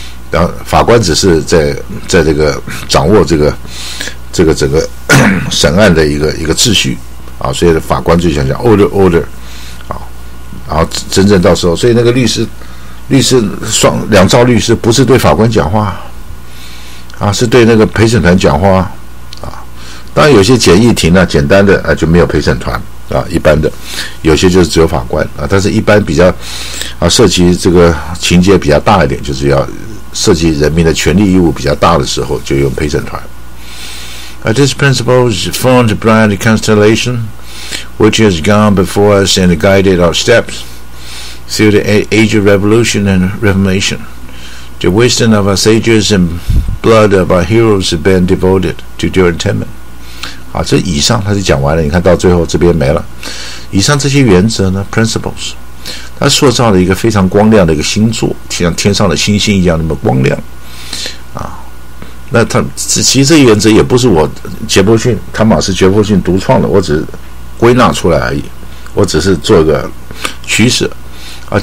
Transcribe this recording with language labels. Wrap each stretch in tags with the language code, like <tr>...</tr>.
<zh>然后法官只是在这个掌握这个整个审案的一个秩序啊，所以法官就想 order 啊，然后真正到时候，所以那个律师2兆律师不是对法官讲话啊，是对那个陪审团讲话啊。当然有些简易庭呢、啊，简单的啊就没有陪审团啊，一般的有些就是只有法官啊，但是一般比较啊涉及这个情节比较大一点，就是要涉及人民的权利义务比较大的时候，就用陪审团。</zh> <en>This principle is formed by the constellation which has gone before us and guided our steps through the age of revolution and reformation. The wisdom of our sages and blood of our heroes have been devoted to their attainment.</en> <zh>好，这以上他就讲完了，你看到最后这边没了。以上这些原则呢 principles， 他塑造了一个非常光亮的一个星座，像天上的星星一样那么光亮啊。那他其实这原则也不是我杰弗逊汤马斯杰弗逊独创的，我只是归纳出来而已，我只是做个取舍啊。</zh>